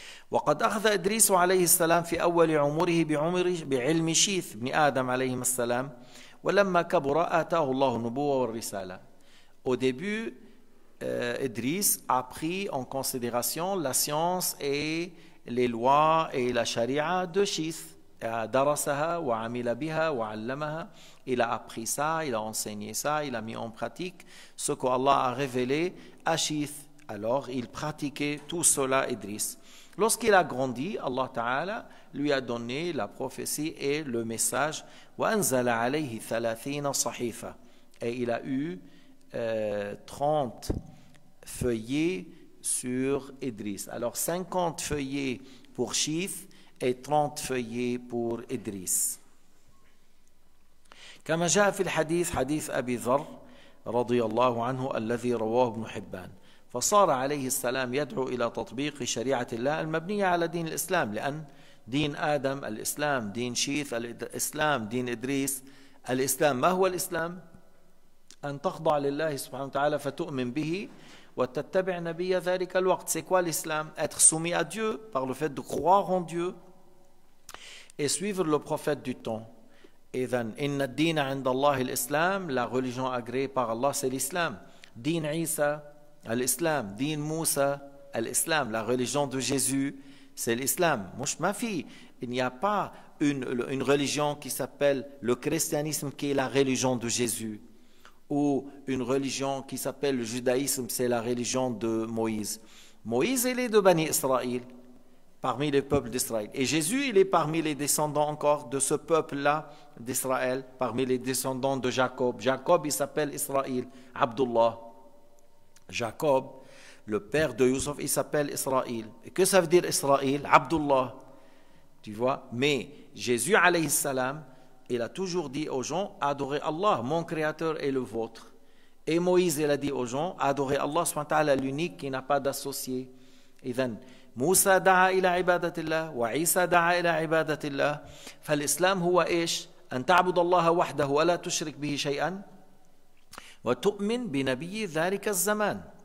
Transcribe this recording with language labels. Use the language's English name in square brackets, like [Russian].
[Arabic] وقد أخذ إدريس عليه السلام في أول عمره بعلم شيث بن آدم عليه السلام ولما كبر آتاه الله النبوة والرسالة. [French] Au début, Idris a pris en considération la science et les lois et la charia de Shith. [Arabic] درسها وعمل بها وعلمها. [French] Il a appris ça, il a enseigné ça, il a mis en pratique ce que Allah a révélé à Shith. Alors il pratiquait tout cela, Idris. Lorsqu'il a grandi, Allah Ta'ala lui a donné la prophétie et le message. [Arabic] وأنزل عليه 30 صحيفة. [French] Et il a eu 30 feuillets sur Idris. Alors 50 feuillets pour Shith et 30 feuillets pour Idris. [Arabic] كما جاء في الحديث حديث أبي ذر رضي الله عنه الذي رواه ابن حبان فصار عليه السلام يدعو إلى تطبيق شريعة الله المبنية على دين الإسلام لأن دين آدم الإسلام دين شيث الإسلام دين إدريس الإسلام ما هو الإسلام؟ أن تخضع لله سبحانه وتعالى فتؤمن به وتتبع نبي ذلك الوقت. [French] C'est quoi l'islam? Être soumis à Dieu par le fait de croire en Dieu et suivre le prophète du temps. [Arabic] إذن إن الدين عند الله الإسلام. [French] La religion agréée par Allah c'est l'islam. [Arabic] دين عيسى الإسلام. دين موسى الإسلام. [French] La religion de Jésus c'est l'islam. [Arabic] مش ما في. [French] Il n'y a pas une religion qui s'appelle le christianisme qui est la religion de Jésus, ou une religion qui s'appelle le judaïsme c'est la religion de Moïse. Moïse il est de Bani Israël, parmi les peuples d'Israël. Et Jésus, il est parmi les descendants encore de ce peuple-là d'Israël, parmi les descendants de Jacob. Jacob, il s'appelle Israël, Abdullah. Jacob, le père de Youssef, il s'appelle Israël. Et que ça veut dire Israël? Abdullah. Tu vois? Mais Jésus, alayhi salam, il a toujours dit aux gens, adorez Allah, mon créateur est le vôtre. Et Moïse, il a dit aux gens, adorez Allah, subhanahu wa ta'ala, l'unique qui n'a pas d'associé. [Arabic] Et then, موسى دعا إلى عبادة الله وعيسى دعا إلى عبادة الله. فالإسلام هو إيش؟ أن تعبد الله وحده ولا تشرك به شيئا وتؤمن بنبي ذلك الزمان.